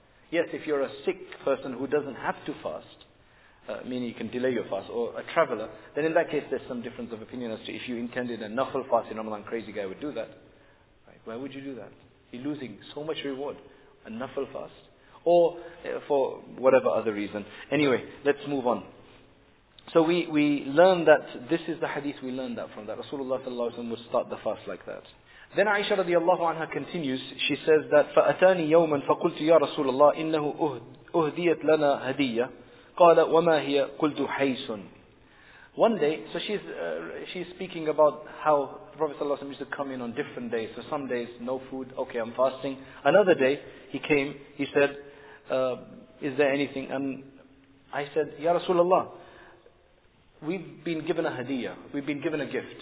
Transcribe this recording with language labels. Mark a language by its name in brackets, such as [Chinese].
[English] Yes, if you're a sick person who doesn't have to fast, meaning you can delay your fast, or a traveler, then in that case there's some difference of opinion as to if you intended a nafl fast in Ramadan, crazy guy would do that. Right? Why would you do that? You're losing so much reward. A nafl fast. Or for whatever other reason. Anyway, let's move on. So we learn that, this is the hadith we learned that from, that Rasulullah sallallahu alaihi wasallam would start the fast like that. Then Aisha radiallahu anha continues, she says that, [Arabic] فَأَتَانِي يَوْمًا فَقُلْتُ يَا رَسُولَ اللَّهِ إِنَّهُ أُهْدِيَتْ لَنَا هَدِيَّةً قَالَ وَمَا هِيَ قُلْتُ حَيْسٌ. [English] One day, so she's speaking about how Prophet sallallahu alaihi wasallam used to come in on different days. So some days, no food, okay, I'm fasting. Another day, he came, he said, is there anything? And I said, Ya Rasulullah, we've been given a hadiyah, we've been given a gift.